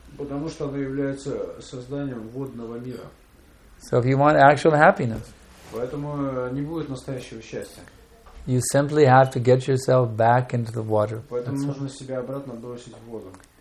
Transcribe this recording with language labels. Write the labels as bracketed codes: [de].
[ru] Потому что он является созданием водного мира. [en] So if you want actual happiness. [ru] Поэтому не будет настоящего счастья. [en] You simply have to get yourself back into the water. [ru] Поэтому нужно себя обратно бросить в воду.